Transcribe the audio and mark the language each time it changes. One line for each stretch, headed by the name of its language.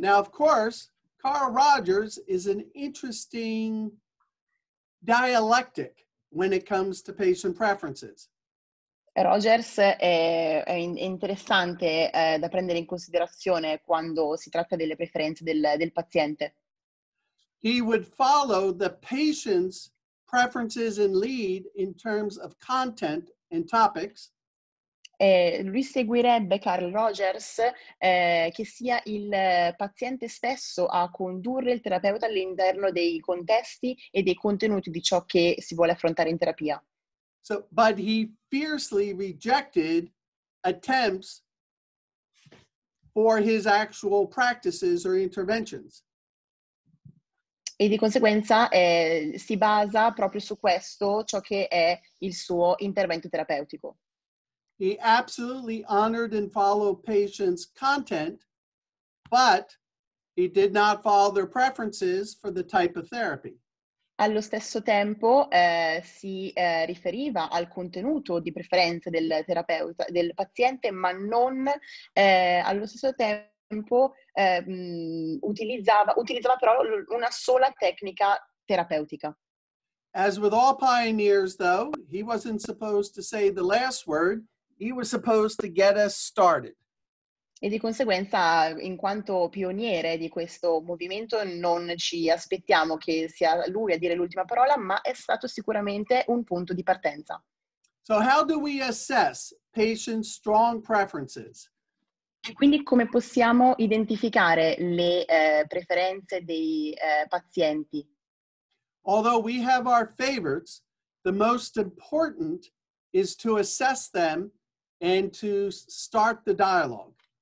English: Now, of course, Carl Rogers is an interesting dialectic when it comes to patient preferences.
Italian: Rogers è interessante da prendere in considerazione quando si tratta delle preferenze del paziente.
English: He would follow the patient's preferences and lead in terms of content and topics.
Italian: Lui seguirebbe Carl Rogers che sia il paziente stesso a condurre il terapeuta all'interno dei contesti e dei contenuti di ciò che si vuole affrontare in terapia.
English: So, but he fiercely rejected attempts for his actual practices or interventions.
Italian: E di conseguenza si basa proprio su questo ciò che è il suo intervento terapeutico.
English: He absolutely honored and followed patients' content, but he did not follow their preferences for the type of therapy.
Italian: Allo stesso tempo riferiva al contenuto di preferenza del terapeuta, del paziente, ma non allo stesso tempo utilizzava però una sola tecnica terapeutica.
English: As with all pioneers, though, he wasn't supposed to say the last word, he was supposed to get us started.
Italian: E di conseguenza, in quanto pioniere di questo movimento, non ci aspettiamo che sia lui a dire l'ultima parola, ma è stato sicuramente un punto di partenza.
English: So how do we assess patients' strong preferences?
Italian: E quindi come possiamo identificare le preferenze dei pazienti?
English: Although we have our favorites, the most important is to assess them and to start the dialogue.